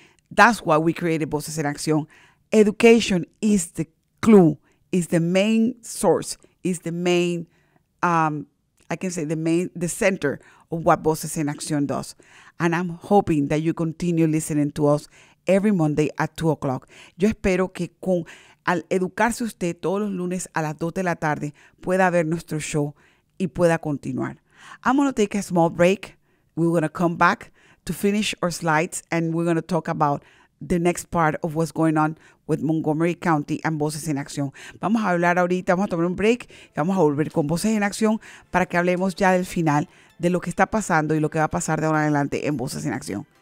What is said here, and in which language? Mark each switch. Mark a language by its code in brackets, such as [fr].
[en] That's why we created Voces en Acción. Education is the clue, is the main source, is the main, the center of what Voces en Acción does. And I'm hoping that you continue listening to us every Monday at 2 o'clock. [es] Yo espero que al educarse usted todos los lunes a las 2 de la tarde pueda ver nuestro show y pueda continuar. [en] I'm going to take a small break. We're going to come back to finish our slides and we're going to talk about the next part of what's going on with Montgomery County and Voces en Acción. [es] Vamos a hablar ahorita, vamos a tomar un break y vamos a volver con Voces en Acción para que hablemos ya del final de lo que está pasando y lo que va a pasar de ahora en adelante en Voces en Acción.